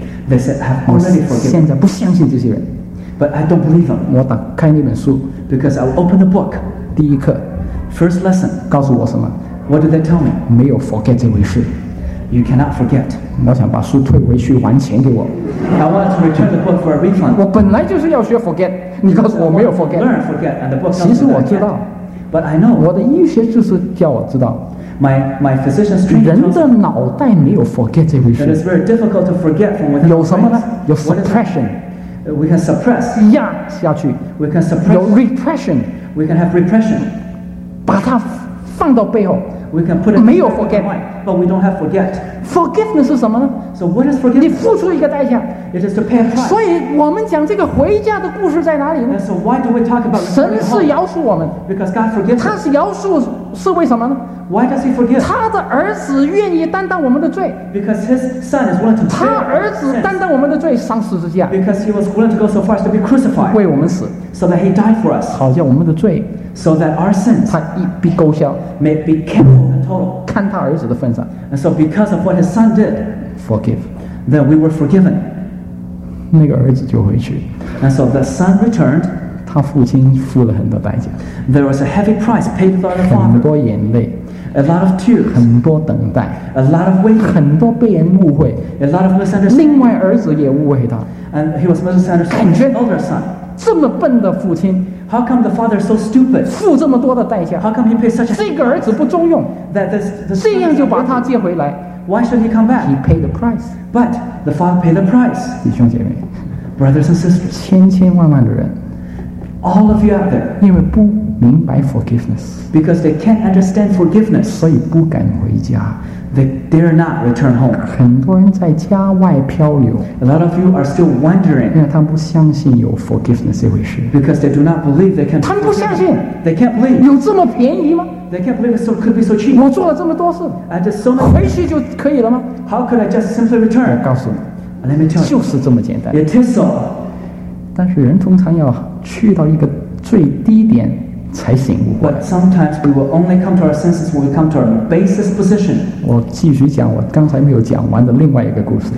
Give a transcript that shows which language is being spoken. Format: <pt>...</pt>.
<en>They said, I have already forgiven.</en> <zh>现在不相信这些人</zh> <en>but I don't believe them.</en> <zh>我打开那本书</zh> <en>because I will open the book.</en> <zh>第一课</zh> <en>first lesson.</en> <zh>告诉我什么</zh> <en>what do they tell me?</en> <zh>没有 forget 这回事</zh> <en>you cannot forget.</en> <zh>我想把书退回去还钱给我。</zh> <en>I want to return the book for a refund.</en> <zh>我本来就是要学 forget， 你告诉我没有 forget。</zh> <en>Learn forget and the book.</en> <zh>其实我知道</zh> <en>，but I know.</en> <zh>我的医学就是叫我知道。</zh> <en>My physician's training.</en> <zh>人的脑袋没有 forget 这回事。</zh> <en>That is very difficult to forget from within.</en> <zh>有什么呢？有 suppression.</zh> <en>We can suppress.</en> <zh>压下去。</zh> <en>We can suppress.</en> <zh>有 repression.</zh> <en>We can have repression.</en> <zh>把它放到背后。</zh> <en>We can put it.</en> <zh>没有 forget.</zh> <en>But we don't have forget.</en> <zh>Forgiveness 是什么呢？</zh> <en>So what is forgiveness?</en> <zh>你付出一个代价。</zh> <en>It is to pay a price.</en> <zh>所以我们讲这个回家的故事在哪里呢？</zh> <en>And so why do we talk about the story?</en> <zh>神是饶恕我们。</zh> <en>Because God forgives.</en> <zh>他是饶恕是为什么呢？</zh> <en>Why does he forgive?</en> <zh>他的儿子愿意担当我们的罪。</zh> <en>Because his son is willing to bear.</en> <zh>他儿子担当我们的罪，上十字架。</zh> <en>Because he was willing to go so far as to be crucified.</en> <zh>为我们死。</zh> <en>So that he died for us.</en> <zh>好叫我们的罪。</zh> <en>So that our sins.</en> <zh>他一笔勾销。</zh> <en>May be careful and total.</en> <zh>看他儿子的份上。</zh> <en>And so because of what his son did. Forgive. Then we were forgiven.</en> <zh>那个儿子就回去。</zh> <en>And so the son returned.</en> <zh>他父亲付了很多代价。</zh> <en>There was a heavy price paid by the father.</en> <zh>很多眼泪。</zh> <en>A lot of tears.</en> <zh>很多等待。</zh> <en>A lot of waiting.</en> <zh>很多被人误会。</zh> <en>A lot of misunderstanding.</en> <zh>另外儿子也误会他。</zh> <en>And he was misunderstanding his older son.</en> <zh>这么笨的父亲</zh> <en>，How come the father is so stupid？</en> <zh>付这么多的代价</zh> <en>，How come he pays such a？</en> <zh>这个儿子不中用</zh> <en>，That this</en> <zh>这样就把他接回来</zh> <en>，Why should he come back？ He paid the price， but the father paid the price。</en> <zh>弟兄姐妹</zh> <en>，Brothers and sisters，</en> <zh>千千万万的人</zh> <en>，All of you out there，</en> <zh>因为不明白 forgiveness，</zh> <en>because they can't understand forgiveness，</en> <zh>所以不敢回家。</zh> <en>They dare not return home.</en> <zh>很多人在家外漂流。</zh> <en>A lot of you are still wondering.</en> <zh>因为他们不相信有 forgiveness 这回事。</zh> <en>Because they do not believe they can.</en> <zh>他们不相信。</zh> <en>They can't believe.</en> <zh>有这么便宜吗？</zh> <en>They can't believe it so could be so cheap.</en> <zh>我做了这么多事。</zh> <en>I did so much.</en> <zh>回去就可以了吗？</zh> <en>How could I just simply return?</en> <zh>我告诉你。</zh> <en>Let me tell you.</en> <zh>就是这么简单。</zh> <en>It is so.</en> <zh>但是人通常要去到一个最低点才醒悟过来。</zh> <en>But sometimes we will only come to our senses when we come to our basis position.</en> <zh>我继续讲我刚才没有讲完的另外一个故事。</zh>